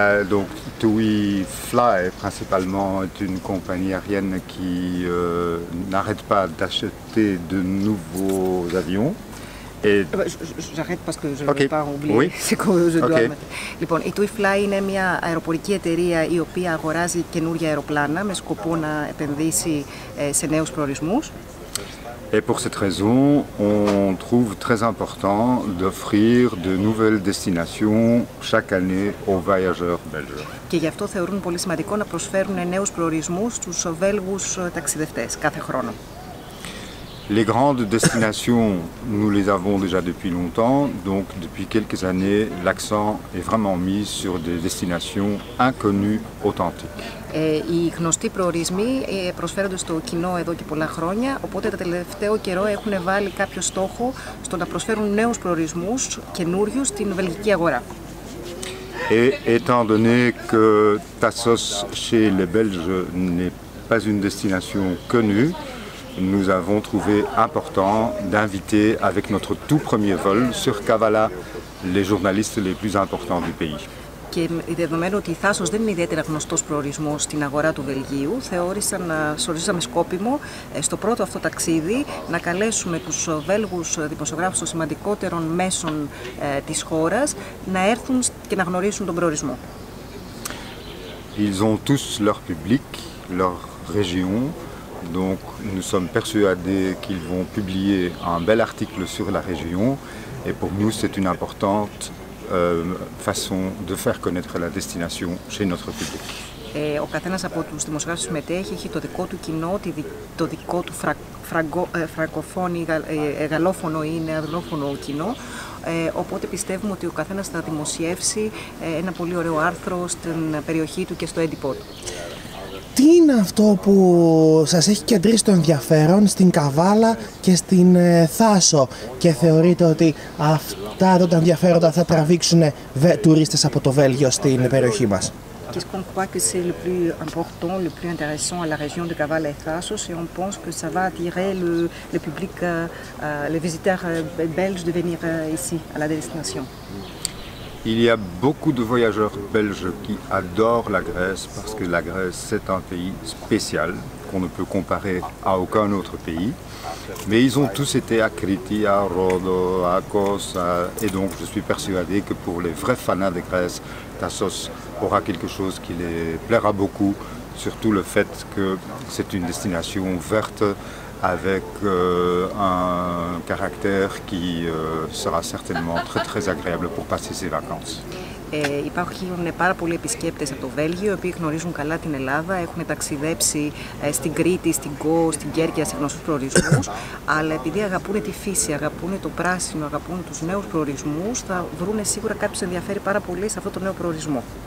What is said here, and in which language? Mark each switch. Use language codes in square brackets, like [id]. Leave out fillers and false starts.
[fr] Donc, TUI Fly, principalement, est une compagnie aérienne qui n'arrête pas d'acheter de nouveaux avions. Et... J'arrête parce que je ne Ok, veux pas oublier oui. ce que je Ok. dois mettre. [el] Lipon, η TUI Fly είναι μια αεροπορική εταιρεία η οποία αγοράζει καινούργια αεροπλάνα με σκοπό να επενδύσει σε νέους προορισμούς. [fr] Et pour cette raison, on trouve très important d'offrir de nouvelles destinations chaque année aux voyageurs belges. [el] Και γι' αυτό θεωρούν πολύ σημαντικό να προσφέρουν νέους προορισμούς στους Βέλγους ταξιδευτές κάθε χρόνο. [fr] Les grandes destinations, nous les avons déjà depuis longtemps, donc depuis quelques années, l'accent est vraiment mis sur des destinations inconnues authentiques. [el] Οι γνωστοί προορισμοί προσφέρονται στο κοινό εδώ και πολλά χρόνια, οπότε το τελευταίο καιρό έχουν βάλει κάποιο στόχο στο να προσφέρουν νέους προορισμούς καινούριους στην βελγική αγορά. [fr] Et étant donné que Tassos chez les Belges n'est pas une destination connue, nous avons trouvé important d'inviter avec notre tout premier vol sur Kavala les journalistes les plus importants du pays. [el] Και δεδομένου ότι η Θάσος δεν είναι ιδιαίτερα γνωστός προορισμός στην αγορά του Βελγίου, σωρίσαμε σκόπιμο στο πρώτο αυτό ταξίδι να καλέσουμε τους Βέλγους δημοσιογράφους των σημαντικότερων μέσων της χώρας να έρθουν και να γνωρίσουν τον προορισμό. [fr] Ils ont tous leur public, leur région. Donc, nous sommes persuadés qu'ils vont publier un bel article sur la région. Et pour nous, c'est une importante façon de faire connaître la destination chez notre public. [el] Ο καθένας από τους δημοσιογράφους συμμετέχει έχει το δικό του κοινό, το δικό του φραγκοφόνο ή γαλλόφωνο ή νεαγλόφωνο κοινό. Οπότε πιστεύουμε ότι ο καθένας θα δημοσιεύσει ένα πολύ ωραίο άρθρο στην περιοχή του και στο έντυπό του. Τι είναι αυτό που σας έχει κεντρήσει το ενδιαφέρον στην Καβάλα και στην Θάσο και θεωρείτε ότι αυτά εδώ τα ενδιαφέροντα θα τραβήξουν τουρίστες από το Βέλγιο στην περιοχή μας. [fr] Qu'est-ce qu'on croit que c'est le plus important, le plus intéressant à la région de Caval et Thasos, et on pense que ça va attirer le public, les visiteurs belges de venir ici à la destination. Il y a beaucoup de voyageurs belges qui adorent la Grèce parce que la Grèce, c'est un pays spécial qu'on ne peut comparer à aucun autre pays. Mais ils ont tous été à Crete, à Rhodes, à Kos, et donc je suis persuadé que pour les vrais fans de Grèce, Thasos aura quelque chose qui les plaira beaucoup, surtout le fait que c'est une destination verte avec un caractère qui sera certainement très très agréable pour passer ses vacances. [el] Υπάρχουν πάρα πολλοί επισκέπτες από το Βέλγιο, οι οποίοι γνωρίζουν καλά την Ελλάδα, έχουν ταξιδέψει στην Κρήτη, στην Κο, στην Κέρκυρα, σε γνωστούς προορισμούς. Αλλά επειδή αγαπούν τη φύση, αγαπούν το πράσινο, αγαπούν τους νέους προορισμούς, θα βρούνε σίγουρα κάποιους ενδιαφέρει πάρα πολύ σε αυτό το νέο προορισμό.